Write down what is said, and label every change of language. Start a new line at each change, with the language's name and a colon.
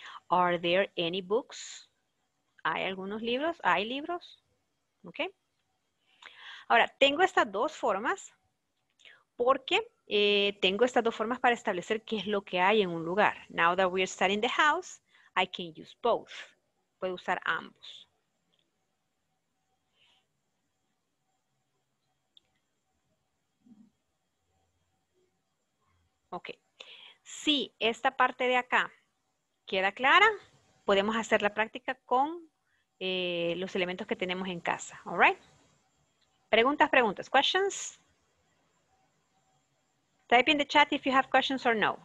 English: Are there any books?
Spanish: ¿Hay algunos libros? ¿Hay libros? ¿Ok? Ahora, tengo estas dos formas porque tengo estas dos formas para establecer qué es lo que hay en un lugar.
English: Now that we're studying the house, I can use both.
Spanish: Puedo usar ambos. Ok. Si esta parte de acá queda clara, podemos hacer la práctica con los elementos que tenemos en casa.
English: All right?
Spanish: Preguntas, preguntas.
English: Questions? Type in the chat if you have questions or no.